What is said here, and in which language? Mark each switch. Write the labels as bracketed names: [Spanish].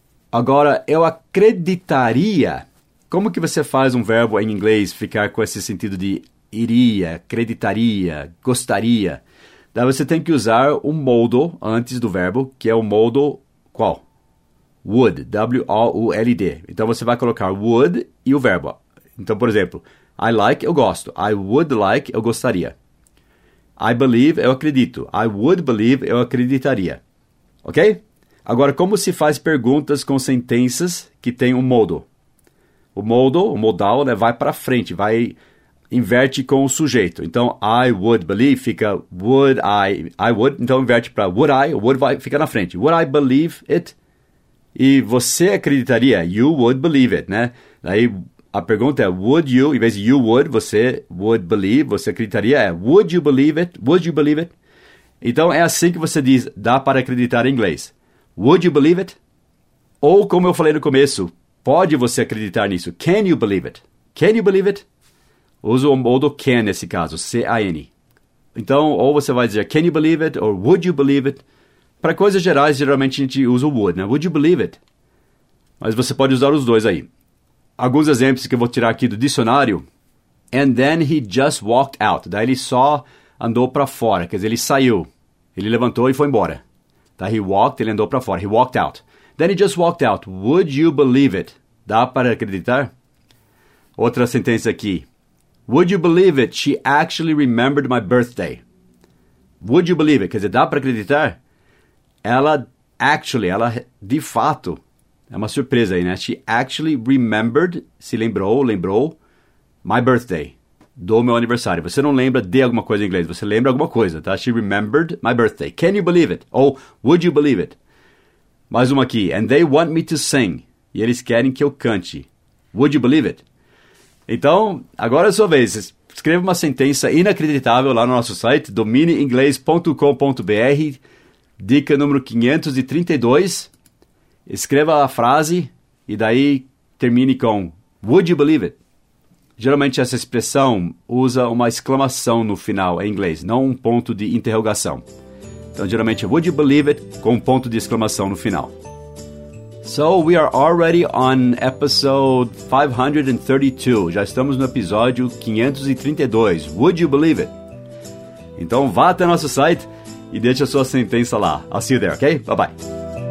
[Portuguese] Agora, eu acreditaria. Como que você faz um verbo em inglês ficar com esse sentido de iria, acreditaria, gostaria? Daí você tem que usar o modal antes do verbo, que é o modal qual? Would, W-O-U-L-D. Então, você vai colocar would e o verbo. Então, por exemplo, [English] I like, [Portuguese] eu gosto. [English] I would like, [Portuguese] eu gostaria. [English] I believe, [Portuguese] eu acredito. [English] I would believe, [Portuguese] eu acreditaria. Ok? Agora, como se faz perguntas com sentenças que tem um modal? O modal, né, vai para frente, vai inverte com o sujeito. Então, [English] I would believe [Portuguese] fica [English] would I would. [Portuguese] Então, inverte para [English] would I, [Portuguese] would vai, fica na frente. [English] Would I believe it? [Portuguese] E você acreditaria? [English] You would believe it, [Portuguese] né? Aí, a pergunta é, [English] would you, [Portuguese] em vez de [English] you would, você would believe, [Portuguese] você acreditaria, é, [English] would you believe it? Would you believe it? [Portuguese] Então, é assim que você diz, dá para acreditar em inglês. [English] Would you believe it? [Portuguese] Ou, como eu falei no começo, pode você acreditar nisso? [English] Can you believe it? [Portuguese] Can you believe it? Uso o modo can nesse caso, C-A-N. Então, ou você vai dizer, [English] can you believe it? Or, would you believe it? [Portuguese] Para coisas gerais, geralmente a gente usa o [English] would, né? Would you believe it? [Portuguese] Mas você pode usar os dois aí. Alguns exemplos que eu vou tirar aqui do dicionário. [English] And then he just walked out. [Portuguese] Daí ele só andou para fora. Quer dizer, ele saiu. Ele levantou e foi embora. Daí he walked, ele andou para fora. [English] He walked out. Then he just walked out. Would you believe it? [Portuguese] Dá para acreditar? Outra sentença aqui. [English] Would you believe it? She actually remembered my birthday. Would you believe it? [Portuguese] Quer dizer, dá para acreditar? Ela de fato... É uma surpresa aí, né? [English] She actually remembered, [Portuguese] lembrou, [English] my birthday, [Portuguese] do meu aniversário. Você não lembra de alguma coisa em inglês, você lembra alguma coisa, tá? [English] She remembered my birthday. Can you believe it? [Portuguese] Ou, [English] would you believe it? [Portuguese] Mais uma aqui. [English] And they want me to sing. [Portuguese] E eles querem que eu cante. [English] Would you believe it? [Portuguese] Então, agora é a sua vez. Escreva uma sentença inacreditável lá no nosso site, dominiinglês.com.br, dica número 532... Escreva a frase e daí termine com [English] Would you believe it? [Portuguese] Geralmente essa expressão usa uma exclamação no final em inglês, não um ponto de interrogação. Então geralmente é [English] Would you believe it? [Portuguese] Com um ponto de exclamação no final. [English] So we are already on episode 532. [Portuguese] Já estamos no episódio 532. [English] Would you believe it? [Portuguese] Então vá até nosso site e deixe a sua sentença lá. [English] I'll see you there, ok? Bye-bye.